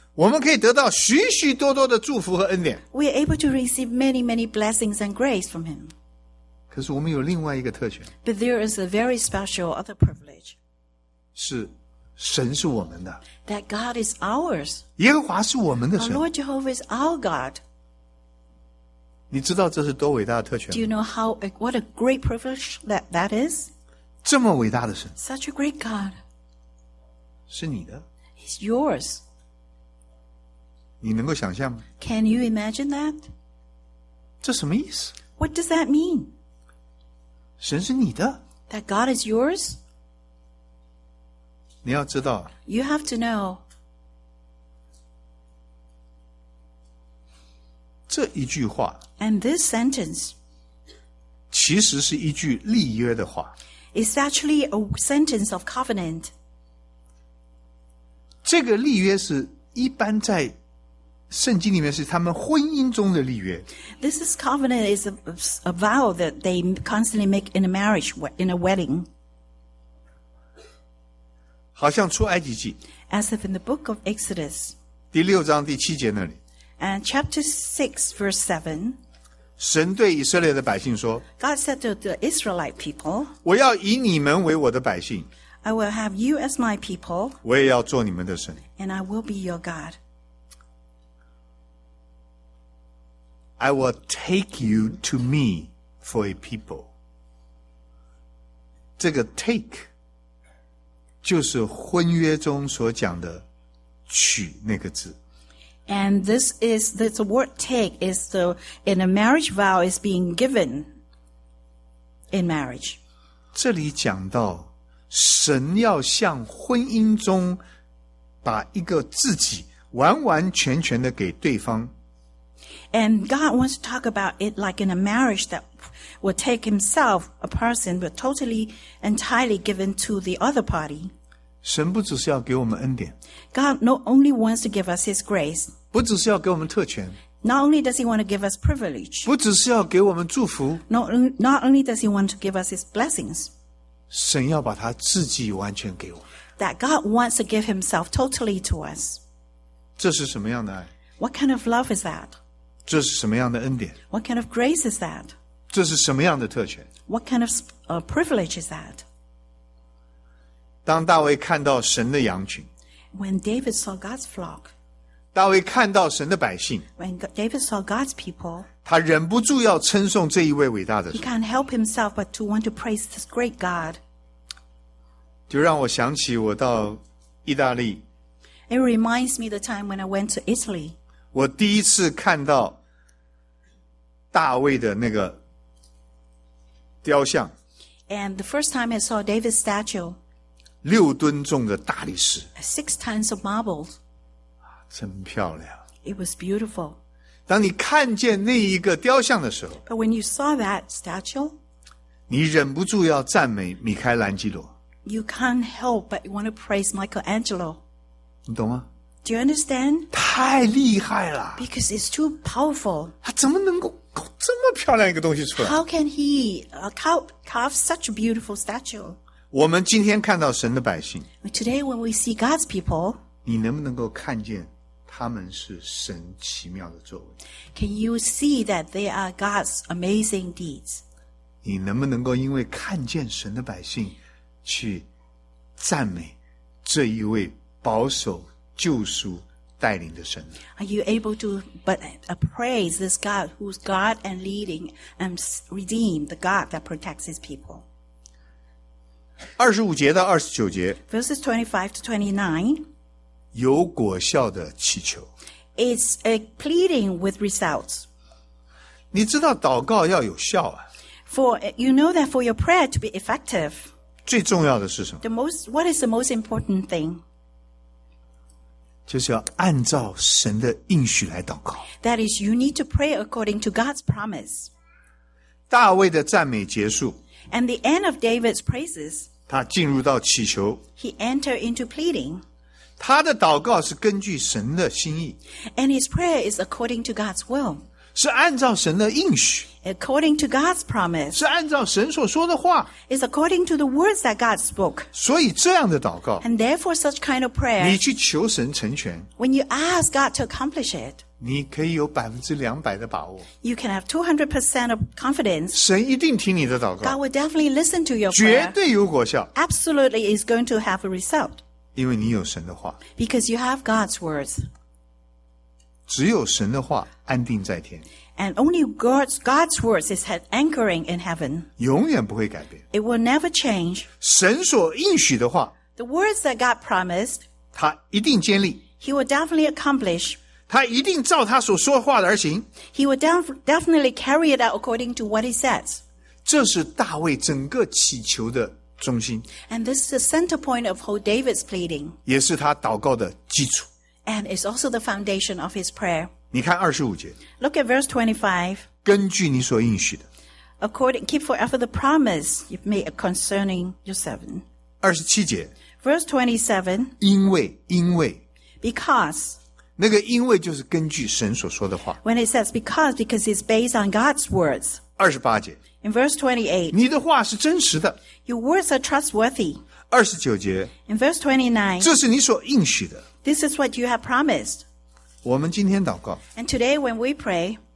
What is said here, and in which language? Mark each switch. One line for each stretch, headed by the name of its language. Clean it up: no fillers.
Chinese: 我们可以得到许许多多的祝福和恩典。
English: We are able to receive many, many blessings and grace from him.
Chinese: 可是我们有另外一个特权。
English: But there is a very special other privilege.
Chinese: 是神是我们的。
English: That God is ours.
Chinese: 耶和华是我们的神。
English: Our Lord Jehovah is our God.
Chinese: 你知道这是多伟大的特权吗
English: ？Do you know how what a great privilege that is?
Chinese: 这么伟大的神。
English: Such a great God.
Chinese: 是你的。
English: It's yours.
Chinese: 你能够想象吗
English: Can you imagine that?
Chinese: 这什么意思
English: What does that mean?
Chinese: 神是你的
English: That God is yours?
Chinese: 你要知道
English: You have to know.
Chinese: 这一句话
English: And this sentence.
Chinese: 其实是一句立约的话
English: It's actually a sentence of covenant.
Chinese: 这个立约是一般在圣经里面是他们婚姻中的立约。
English: This is covenant is a vow that they constantly make in a marriage, in a wedding.
Chinese: 好像出埃及记。
English: As if in the book of Exodus.
Chinese: 第六章第七节那里。
English: And chapter 6 verse 7.
Chinese: 神对以色列的百姓说。
English: God said to the Israelite people.
Chinese: 我要以你们为我的百姓。
English: I will have you as my people.
Chinese: 我也要做你们的神。
English: And I will be your God. I will take you to me for a people.
Chinese: 这个 take 就是婚约中所讲的取那个字。
English: And this word take is the in a marriage vow is being given in marriage.
Chinese: 这里讲到神要向婚姻中把一个自己完完全全的给对方。
English: And God wants to talk about it like in a marriage that will take himself, a person, but totally, entirely given to the other party.
Chinese: 神不只是要给我们恩典。
English: God not only wants to give us his grace.
Chinese: 不只是要给我们特权。
English: Not only does he want to give us privilege.
Chinese: 不只是要给我们祝福。
English: Not only does he want to give us his blessings.
Chinese: 神要把他自己完全给我们。
English: That God wants to give himself totally to us.
Chinese: 这是什么样的爱?
English: What kind of love is that?
Chinese: 这是什么样的恩典?
English: What kind of grace is that?
Chinese: 这是什么样的特权?
English: What kind of privilege is that?
Chinese: 当大卫看到神的羊群,
English: When David saw God's flock,
Chinese: 大卫看到神的百姓,
English: When David saw God's people,
Chinese: 他忍不住要称颂这一位伟大的神。
English: He can't help himself but to want to praise this great God.
Chinese: 就让我想起我到意大利。
English: It reminds me the time when I went to Italy.
Chinese: 我第一次看到大卫的那个雕像
English: And the first time I saw David's statue
Chinese: 六吨重的大理石
English: Six tons of marble
Chinese: 真漂亮
English: It was beautiful
Chinese: 当你看见那一个雕像的时候
English: But when you saw that statue
Chinese: 你忍不住要赞美米开朗基罗
English: You can't help but you want to praise Michelangelo
Chinese: 你懂吗
English: Do you understand?
Chinese: 太厉害了。
English: Because it's too powerful.
Chinese: 他怎么能够搞这么漂亮一个东西出来?
English: How can he carve such a beautiful statue?
Chinese: 我们今天看到神的百姓。
English: Today when we see God's people.
Chinese: 你能不能够看见他们是神奇妙的作为?
English: Can you see that they are God's amazing deeds?
Chinese: 你能不能够因为看见神的百姓去赞美这一位保守救赎带领的神
English: Are you able to praise this God who's God and leading and redeem the God that protects his people?
Chinese: 25节到29节
English: Verses 25 to 29
Chinese: 有果效的祈求
English: It's a pleading with results
Chinese: 你知道祷告要有效啊
English: For you know that for your prayer to be effective,
Chinese: 最重要的是什么？
English: The most, what is the most important thing?
Chinese: 就是要按照神的应许来祷告。
English: That is, you need to pray according to God's promise.
Chinese: 大卫的赞美结束。
English: And the end of David's praises.
Chinese: 他进入到祈求。
English: He entered into pleading.
Chinese: 他的祷告是根据神的心意。
English: And his prayer is according to God's will.
Chinese: 是按照神的应许
English: according to God's promise
Chinese: 是按照神所说的话
English: is according to the words that God spoke
Chinese: 所以这样的祷告
English: and therefore such kind of prayer
Chinese: 你去求神成全
English: when you ask God to accomplish it
Chinese: 你可以有 200% 的把握
English: you can have 200% of confidence
Chinese: 神一定听你的祷告
English: God will definitely listen to your
Chinese: 绝对有果效
English: absolutely is going to have a result
Chinese: 因为你有神的话
English: because you have God's words
Chinese: 只有神的话安定在天
English: And only God's words is anchoring in heaven
Chinese: 永远不会改变
English: It will never change
Chinese: 神所应许的话
English: The words that God promised
Chinese: 他一定坚立
English: He will definitely accomplish
Chinese: 他一定照他所说话的而行
English: He will definitely carry it out according to what he says
Chinese: 这是大卫整个祈求的中心
English: And this is the center point of whole David's pleading
Chinese: 也是他祷告的基础
English: And it's also the foundation of his prayer.
Chinese: 你看25节。
English: Look at verse 25.
Chinese: 根据你所应许的。
English: According, keep forever the promise you've made concerning your servant.
Chinese: 27节。
English: Verse 27.
Chinese: 因为。
English: Because.
Chinese: 那个因为就是根据神所说的话。
English: When it says because it's based on God's words.
Chinese: 28节。
English: In verse 28.
Chinese: 你的话是真实的。
English: Your words are trustworthy.
Chinese: 29节。
English: In verse 29.
Chinese: 这是你所应许的。
English: This is what you have promised.
Chinese: 我们今天祷告
English: And today when we pray,